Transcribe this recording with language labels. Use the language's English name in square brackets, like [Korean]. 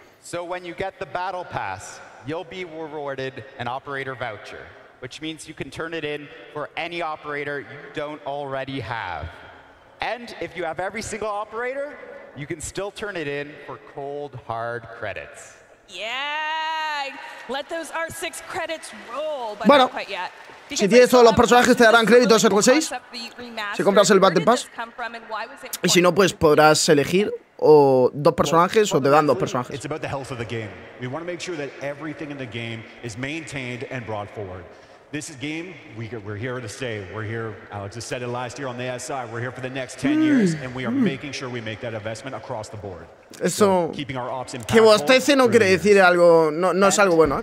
[English] So when you get the Battle Pass, you'll be rewarded an operator voucher, which means you can turn it in for any operator you don't already have. And if you have every single operator, you can still turn it in for cold hard credits. Yeah, let those R6 credits roll, but [Spanish] bueno, [English] not quite yet. [Spanish] Si tienes todos los personajes, te darán créditos en el 6. Si compras el Battle Pass. Y si no, pues podrás elegir o dos personajes o te dan dos personajes. [English] It's about the health of the game. We want to make sure that everything in the game is maintained and brought forward. This is game, we're here to stay. We're here, Alex has said it last year on the SI, we're here for the next 10 years, and we are making sure we make that investment across the board. [Spanish] Eso, [English] keeping our ops in power. [Spanish] Que bostece no quiere decir algo, no es algo bueno.